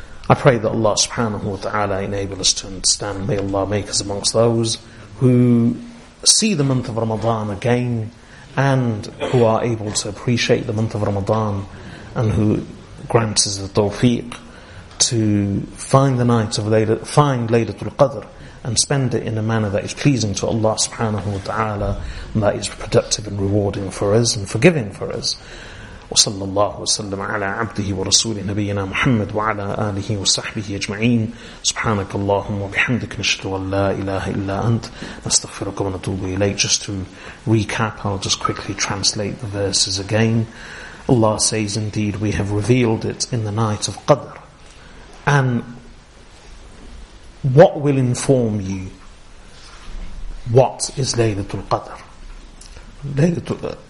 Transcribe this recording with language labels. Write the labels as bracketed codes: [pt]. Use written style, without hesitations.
[en] I pray that Allah subhanahu wa ta'ala enable us to understand. May Allah make us amongst those who see the month of Ramadan again and who are able to appreciate the month of Ramadan and who grants us the tawfiq to find the night of Laylatul Qadr and spend it in a manner that is pleasing to Allah subhanahu wa ta'ala and that is productive and rewarding for us and forgiving for us. [ar] وصلى الله وسلم على عبده ورسوله نبينا محمد وعلى آله وصحبه أجمعين سبحانك اللهم وبحمدك نشهد أن لا إله إلا أنت نستغفرك ونتوب إليك. [en] Just to recap, I'll just quickly translate the verses again. Allah says, indeed we have revealed it in the night of Qadr, and what will inform you what is Laylatul Qadr?